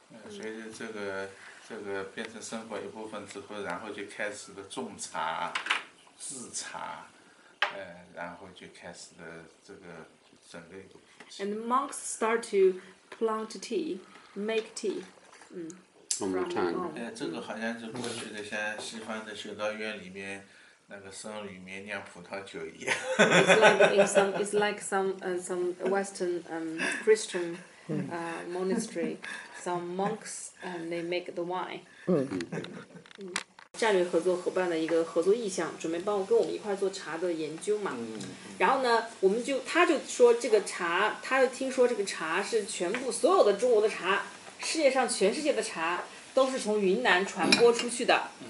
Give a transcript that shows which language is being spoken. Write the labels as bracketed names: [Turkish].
[Chinese] 所以这个变成生活一部分之后，然后就开始了种茶、制茶。然后就开始了这个整个一个。 [English] And the monks start to plant tea, make tea. [Chinese] 这个好像是过去的像西方的修道院里面那个僧侣里面酿葡萄酒一样。 [English] It's like some Western Christian monastery. Some monks they make the wine. [Chinese] 战略合作伙伴的一个合作意向，准备帮我跟我们一块做茶的研究嘛。然后呢，他就说这个茶，他就听说这个茶是全部所有的中国的茶，世界上全世界的茶都是从云南传播出去的。